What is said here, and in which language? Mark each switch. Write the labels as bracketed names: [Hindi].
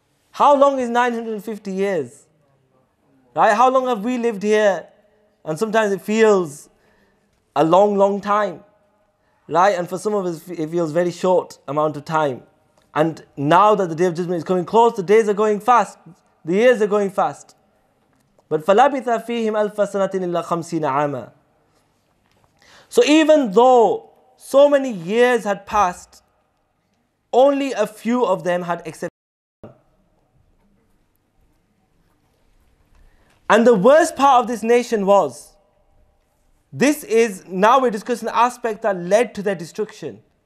[English] How long is 950 years? Right? How long have we lived here? And sometimes it feels a long, long time. Right? And for some of us, it feels very short amount of time. And now that the Day of Judgment is coming close, the days are going fast. The years are going fast. But [Arabic] فَلَبِثَ فِيهِمْ أَلْفَ سَنَةٍ إِلَّا خَمْسِينَ عَامًا. [English] So even though so many years had passed, only a few of them had accepted Islam. And the worst part of this nation was, this is, now we're discussing the aspect that led to their destruction.